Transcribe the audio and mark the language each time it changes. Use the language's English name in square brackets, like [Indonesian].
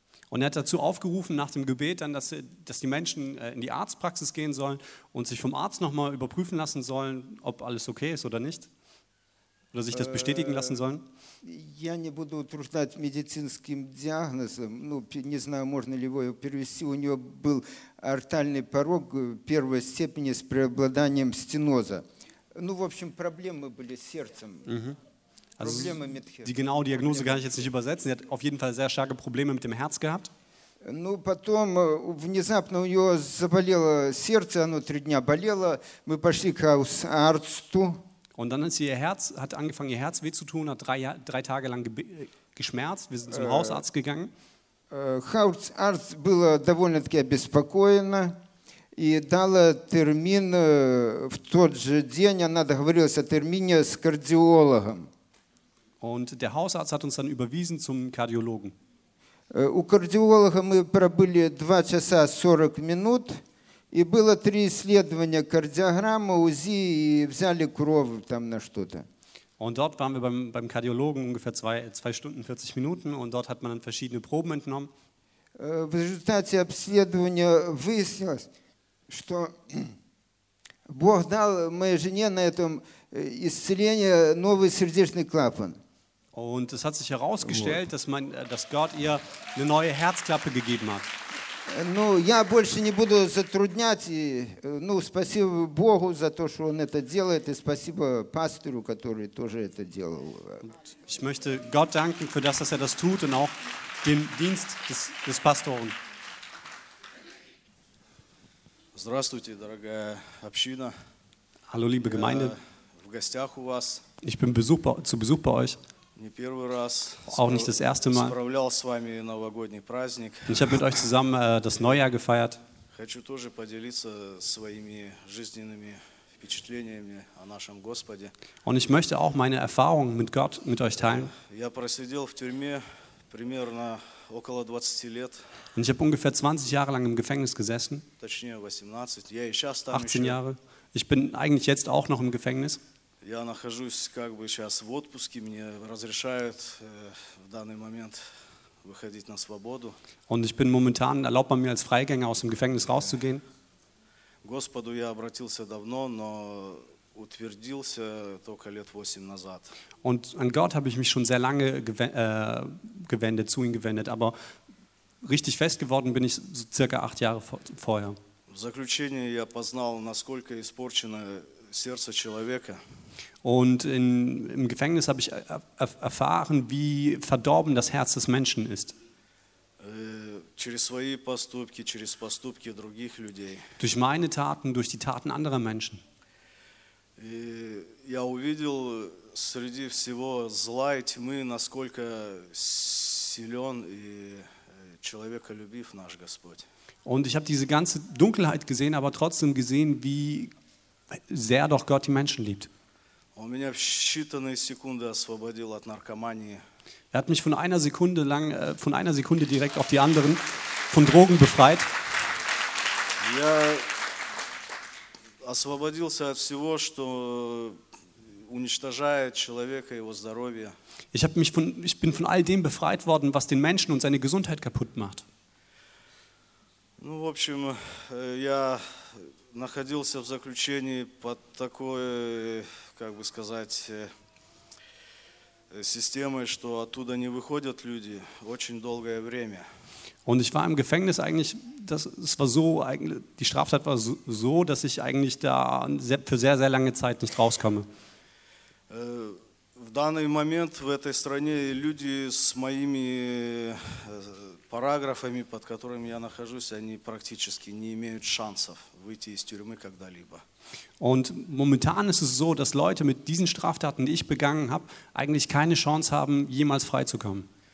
[German] Und er hat dazu aufgerufen, nach dem Gebet dann, dass die Menschen in die Arztpraxis gehen sollen und sich vom Arzt nochmal überprüfen lassen sollen, ob alles okay ist oder nicht. Oder sich das bestätigen lassen sollen. [Russian] Я не буду утруждать медицинским диагнозом. Ну, не знаю, можно ли его перевести. У него был аортальный порог первой степени с преобладанием стеноза. Ну, в общем, проблемы были с сердцем. [German] Also, [Russian] проблемы [German] mit Herz. Die genaue Diagnose kann ich jetzt nicht übersetzen. Er hat auf jeden Fall sehr starke Probleme mit dem Herz gehabt. [Russian] Ну, потом внезапно у него заболело сердце, оно три дня болело. Мы пошли к арцту. [German] Und dann hat sie hat angefangen, ihr Herz weh zu tun, hat drei Tage lang geschmerzt. Wir sind zum Hausarzt gegangen. Hausarzt war [Russian] довольно-таки обеспокоена и дала термин в тот же день. Она договорилась о термине с кардиологом. [German] Und der Hausarzt hat uns dann überwiesen zum Kardiologen. [Russian] У кардиолога мы пробыли 2 часа 40 минут. И было три исследования, кардиограмма, УЗИ, и взяли кровь там на что-то. [German] Und dort waren wir beim Kardiologen ungefähr 2 Stunden 40 Minuten und dort hat man dann verschiedene Proben entnommen. [Russian] в результате обследования выяснилось, что Бог дал моей жене на этом исцеление новый сердечный клапан. [German] Und es hat sich herausgestellt, вот. Dass Gott ihr eine neue Herzklappe gegeben hat. [Russian] Ну, я больше не буду затруднять. Ну, спасибо Богу за то, что он это делает, и спасибо пастору, который тоже это делал. [German] Ich möchte Gott danken für das, dass das tut, und auch dem Dienst des Pastoren. [Russian] Здравствуйте, дорогая община. [German] Hallo, liebe Gemeinde. [Russian] В гостях у вас. [German] Ich bin zu Besuch bei euch. [Russian] Не первый раз. [German] Auch nicht das erste Mal. [Russian] Справлял с вами новогодний праздник. [German] Ich habe mit euch zusammen das Neujahr gefeiert. [Russian] Хочу тоже поделиться своими жизненными впечатлениями о нашем Господе. [German] Und ich möchte auch meine Erfahrungen mit Gott mit euch teilen. [Russian] Я просидел в тюрьме примерно около 20 лет. [German] Und ich habe ungefähr 20 Jahre lang im Gefängnis gesessen. [Russian] Точнее 18. Я и сейчас там. [German] 18 Jahre. Ich bin eigentlich jetzt auch noch im Gefängnis. [Russian] Я нахожусь как бы сейчас в отпуске, мне разрешают в данный момент выходить на свободу. [German] Und ich bin momentan, erlaubt man mir als Freigänger aus dem Gefängnis rauszugehen. [Russian] Господу я обратился давно, но утвердился только лет 8 назад. [German] Und an Gott habe ich mich schon sehr lange gewendet, zu ihm gewendet, aber richtig fest geworden bin ich so circa 8 Jahre vorher. [Russian] В заключение я познал, насколько испорчено сердце человека. [German] Und im Gefängnis habe ich erfahren, wie verdorben das Herz des Menschen ist. [Russian] Через свои поступки, через поступки других людей. [German] Durch meine Taten, durch die Taten anderer Menschen. [Russian] Я увидел среди всего зла и тьмы, насколько силен и человеколюбив наш Господь. [German] Und ich habe diese ganze Dunkelheit gesehen, aber trotzdem gesehen, wie sehr doch Gott die Menschen liebt. [Russian] Он меня в считанные секунды освободил от наркомании. [German] Er hat mich von einer Sekunde lang, von einer Sekunde direkt auf die anderen von Drogen befreit. [Russian] Я освободился от всего, что уничтожает человека, его здоровье. [German] Ich bin von all dem befreit worden, was den Menschen und seine Gesundheit kaputt macht. [Russian] Ну, в общем, я находился в заключении под такой, как бы сказать, системой, что оттуда не выходят люди очень долгое время. [German] Und ich war im Gefängnis eigentlich, es war so, die Straftat war so, dass ich eigentlich da für sehr, sehr lange Zeit nicht rauskomme. [Russian] В данный момент в этой стране люди с моими параграфами, под которыми я нахожусь, они практически не имеют шансов выйти из тюрьмы когда-либо. [German] Und momentan ist es so, dass Leute mit diesen Straftaten, die ich begangen habe, eigentlich keine Chance haben, jemals freizukommen.